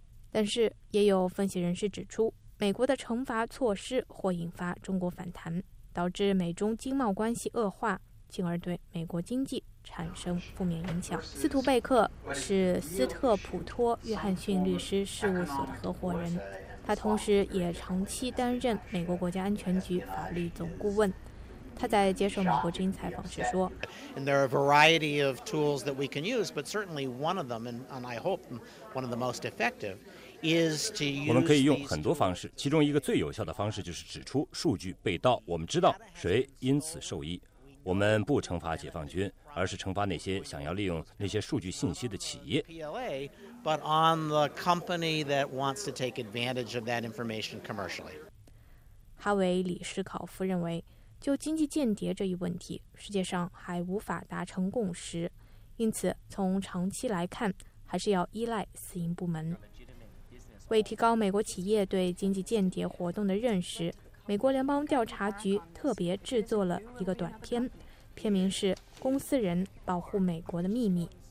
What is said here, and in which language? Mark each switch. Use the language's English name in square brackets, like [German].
[Chinese] 但是也有分析人士指出，美国的惩罚措施或引发中国反弹，导致美中经贸关系恶化，进而对美国经济产生负面影响。斯图贝克是斯特普托约翰逊律师事务所的合伙人，他同时也长期担任美国国家安全局法律总顾问。他在接受美国之音采访时说， [English] And there are a variety of tools that we can use, but certainly one of them, and I hope one of the most effective, is to use. [Chinese] 我们可以用很多方式，其中一个最有效的方式就是指出数据被盗，我们知道谁因此受益。我们不惩罚解放军，而是惩罚那些想要利用那些数据信息的企业。 [English] But on the company that wants to take advantage of that information commercially. [Chinese] 哈维·里斯考夫认为，就经济间谍这一问题，世界上还无法达成共识，因此从长期来看，还是要依赖私营部门。为提高美国企业对经济间谍活动的认识，美国联邦调查局特别制作了一个短片，片名是《公司人保护美国的秘密》。